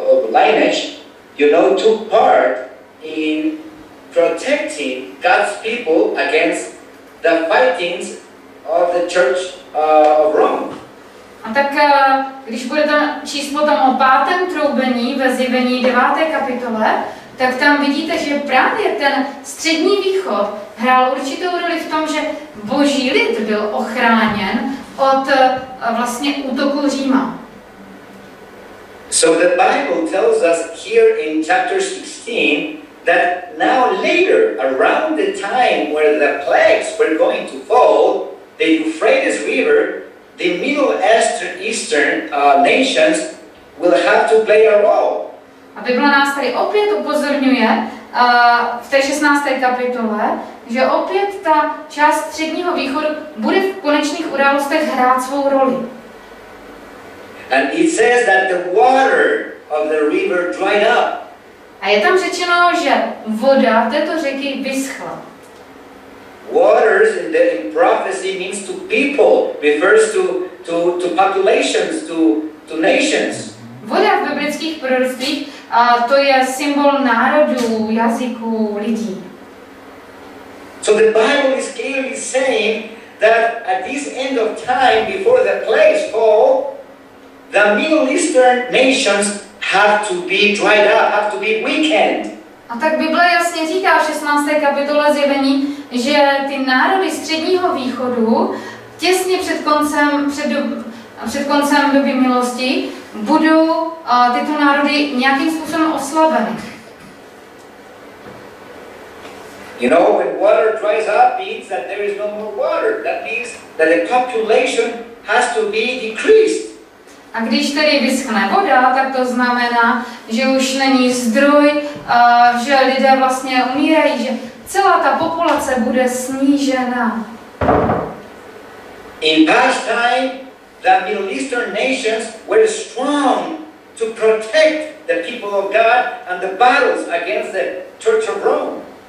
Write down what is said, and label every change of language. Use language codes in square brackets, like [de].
[en] lineage, you know, took part in protecting God's people against the fightings of the Church of Rome. [cs] A tak když budete číst potom o pátém troubení ve zjevení 9. kapitole, tak tam vidíte, že právě ten střední východ hrál určitou roli v tom, že boží lid byl ochráněn od vlastně útoku Říma. [en] So the Bible tells us here in chapter 16 that now later, around the time where the plagues were going to fall, the Euphrates River the Middle Eastern nations will have to play a role. [cs] A Bible nás tady opět upozorňuje v té 16. kapitole, že opět ta část středního východu bude v konečných událostech hrát svou roli. [en] And it says that the water of the river dried up. [cs] A je tam řečeno, že voda této řeky vyschla. [en] Waters in prophecy means to people, refers to populations, to nations. [cs] Voda v biblických proroctvích, to je symbol národů, jazyků, lidí. [en] So the Bible is clearly saying that at this end of time, before the plagues fall, the Middle Eastern nations have to be dried up, have to be weakened. [cs] A tak Bible jasně říká v 16. kapitole Zjevení, že ty národy středního východu těsně před koncem, před koncem doby milosti budou tyto národy nějakým způsobem oslabeny. [en] You know, when water dries up means that there is no more water. That means that the population has to be decreased. [cs] A když tedy vyschne voda, tak to znamená, že už není zdroj, že lidé vlastně umírají, že celá ta populace bude snížena. [en] In past time, the Middle Eastern nations were strong to protect the people of God and the battles against the Church of Rome.